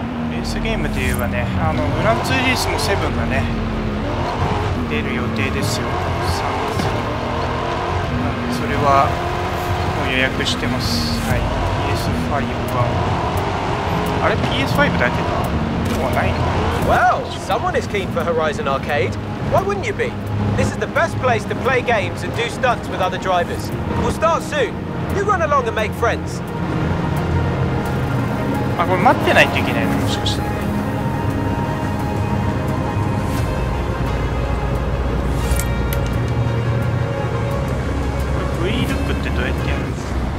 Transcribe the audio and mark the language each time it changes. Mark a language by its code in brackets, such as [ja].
[ja] レースゲームといえばね、グランツーリスモ7がね出る予定ですよ、3月に。それはもう予約してます。はい、 PS5 はあれ PS5 だけかもうないの。 [en] Well, someone is keen for Horizon Arcade. Why wouldn't you be? This is the best place to play games and do stunts with other drivers. We'll start soon. You run along and make friends. [ja] あ、これ待ってないといけないの、もしかして。これ V ルックってどうやってやるんですか。